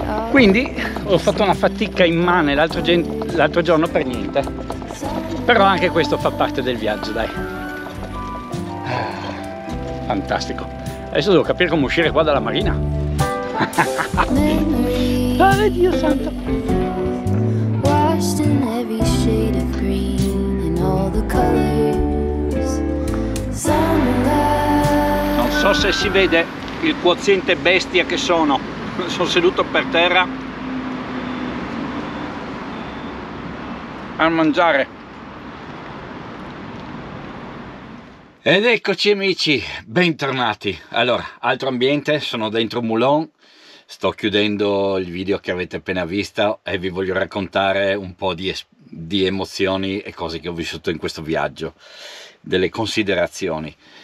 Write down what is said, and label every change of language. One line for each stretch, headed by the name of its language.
Italian: Quindi ho fatto una fatica immane l'altro giorno per niente, però anche questo fa parte del viaggio, dai. Fantastico. Adesso devo capire come uscire qua dalla marina. Oh, Dio santo.
English: Washed in every shade of green and all the colors.
Italian: Non so se si vede il quoziente bestia che sono. Sono seduto per terra a mangiare. Ed eccoci amici, bentornati. Allora, altro ambiente, sono dentro Moulin, sto chiudendo il video che avete appena visto e vi voglio raccontare un po' di emozioni e cose che ho vissuto in questo viaggio, delle considerazioni.